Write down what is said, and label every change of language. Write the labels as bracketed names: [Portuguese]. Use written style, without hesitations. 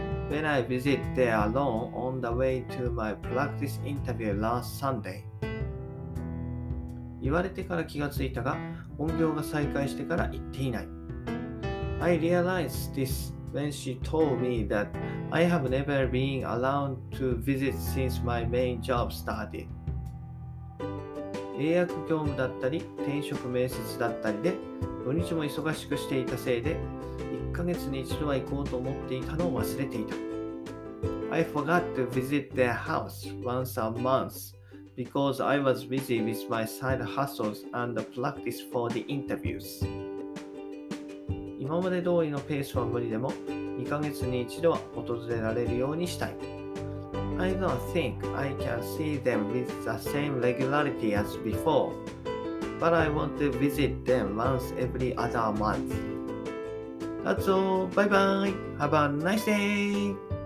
[English] When I visit there alone on the way to my practice interview last Sunday. [Japanese] 言われてから気がついたが、本業が再開してから行っていない。 [English] I realized this when she told me that I have never been allowed to visit since my main job started. [Japanese] 契約業務だったり、転職面接だったりで、土日も忙しくしていたせいで、1ヶ月に一度は行こうと思っていたのを忘れていた。 [English] I forgot to visit their house once a month because I was busy with my side hustles and the practice for the interviews. [Japanese] 今まで通りのペースは無理でも、2ヶ月に一度は訪れられるようにしたい。 [English] I don't think I can see them with the same regularity as before. But I want to visit them once every other month. That's all. Bye bye. Have a nice day.